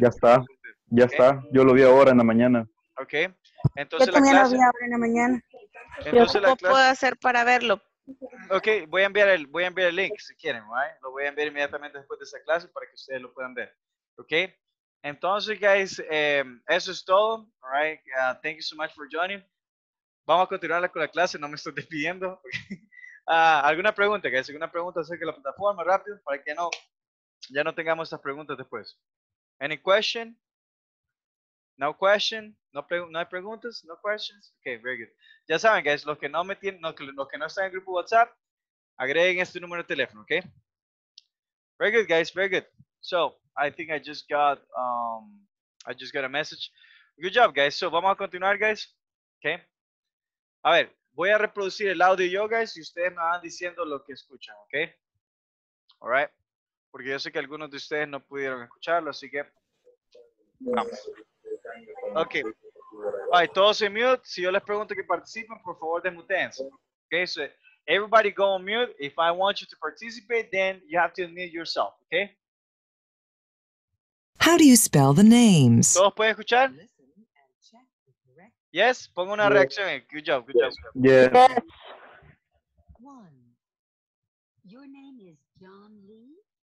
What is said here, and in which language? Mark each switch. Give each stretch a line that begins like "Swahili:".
Spanish: Ya está, ya está. Yo lo vi ahora en la mañana. Ok, entonces la clase. Yo también lo vi ahora en la mañana. Entonces, ¿cómo puedo hacer para verlo? Ok, voy a enviar el link si quieren, right? Lo voy a enviar inmediatamente después de esa clase para que ustedes lo puedan ver. Ok, entonces, guys, eso es todo.
English: All right, thank you so much for joining.
Spanish: Vamos a continuar con la clase, no me estoy despidiendo. ¿Alguna pregunta, guys? ¿Alguna pregunta acerca de la plataforma? Rápido, para que ya no tengamos estas preguntas después.
English: ¿Any question? No question,
Spanish: no hay preguntas,
English: no questions. Okay, very good.
Spanish: Ya saben, guys, los que no están en el grupo WhatsApp, agreguen este número de teléfono, okay?
English: Very good, guys, very good. So, I think I just got a message. Good job, guys. So,
Spanish: vamos a continuar,
English: guys. Okay.
Spanish: A ver, voy a reproducir el audio yo, guys, y ustedes me van diciendo lo que escuchan, okay?
English: All right.
Spanish: Porque yo sé que algunos de ustedes no pudieron escucharlo, así que vamos. Okay.
English: All right,
Spanish: todos en mute. Si yo les pregunto que participen, por favor, desmuteense.
English: Okay, so everybody go on mute. If I want you to participate, then you have to unmute yourself, okay? How do you spell the names?
Spanish: ¿Todos pueden escuchar? Yes, pongo una reacción.
English: Good job, good job. Yes. One. Your name is John Lee?